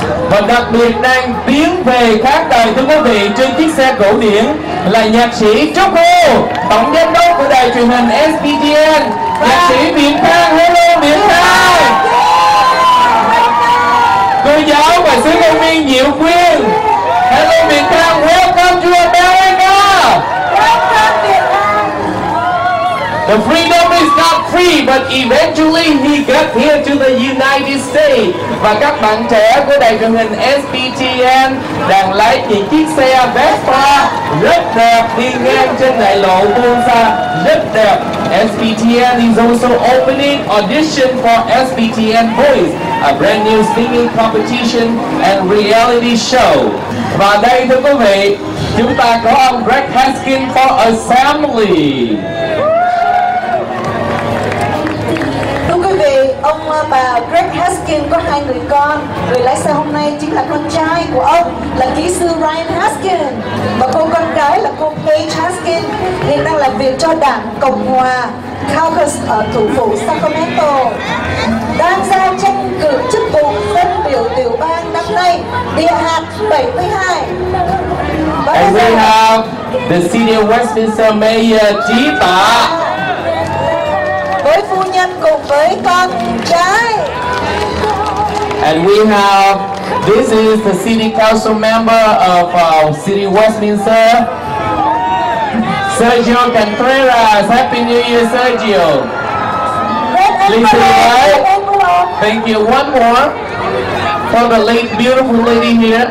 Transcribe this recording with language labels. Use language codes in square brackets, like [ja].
[vi] Và đặc biệt đang tiến về khán đài thưa quý vị trên chiếc xe cổ điển là nhạc sĩ Trúc Hồ, tổng giám đốc của đài truyền hình SBTN. Nhạc sĩ Việt Khang, hello Việt Khang. Cô giáo và sứ công viên Diệu Quyên, hello Việt Khang, [en] welcome to America. Welcome to The freedom is not free, but eventually he got here to the United States. [vi] Và các bạn trẻ của đài truyền hình SBTN đang lái những chiếc xe Vespa rất đẹp đi ngang trên đại lộ Bonsa rất đẹp. [en] SBTN is also opening audition for SBTN Voice, a brand new singing competition and reality show. [vi] Và đây thưa quý vị, chúng ta có ông Greg Haskins for Assembly. Ông bà Greg Haskins có hai người con. Người lái xe hôm nay chính là con trai của ông là kỹ sư Ryan Haskins, và cô con gái là cô Paige Haskins, hiện đang làm việc cho Đảng Cộng Hòa Caucus ở thủ phủ Sacramento, đang ra tranh cử chức vụ phân biểu tiểu bang năm nay, địa hạt 72. [en] And we have the senior Westminster Mayor Chí Tạ [vi] với phu nhân cùng với con trai. [en] And we have, this is the city council member of City Westminster, Sergio Contreras. Happy New Year, Sergio. Thank you. One more for the late beautiful lady here.